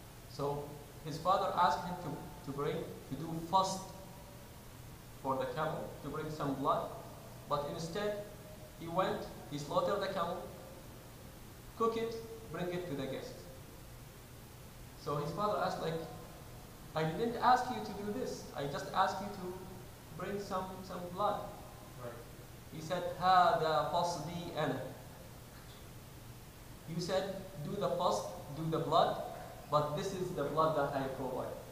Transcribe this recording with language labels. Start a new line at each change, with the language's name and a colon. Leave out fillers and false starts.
English: So his father asked him to fast for the camel, to bring some blood. But instead, he went, he slaughtered the camel, cook it, bring it to the guest. So his father asked, like, I didn't ask you to do this. I just asked you to bring some blood.
Arabic: He said, هذا فصدي أنا.
English: You said, do the fast, do the blood, but this is the blood that I provide.